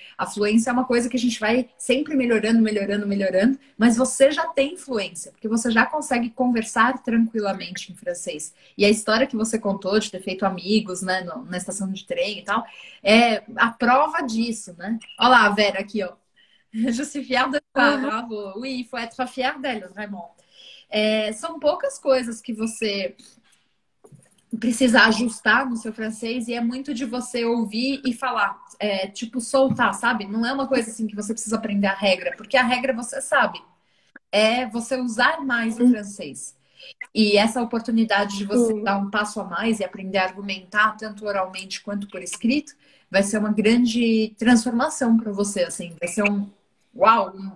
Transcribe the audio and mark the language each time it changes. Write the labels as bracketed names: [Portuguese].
[Portuguese] A fluência é uma coisa que a gente vai sempre melhorando, melhorando, melhorando, mas você já tem fluência, porque você já consegue conversar tranquilamente em francês. E a história que você contou de ter feito amigos, né, no, na estação de trem e tal, é a prova disso, né? Olha lá a Vera aqui, ó. [French] Je suis fière de toi, bravo. Oui, il faut être fière d'elle, vraiment. [Portuguese] É, são poucas coisas que você precisa ajustar no seu francês e é muito de você ouvir e falar, é, tipo, soltar, sabe? Não é uma coisa assim que você precisa aprender a regra, porque a regra você sabe. É você usar mais o francês. E essa oportunidade de você dar um passo a mais e aprender a argumentar, tanto oralmente quanto por escrito, vai ser uma grande transformação para você, assim. Vai ser um. Uau!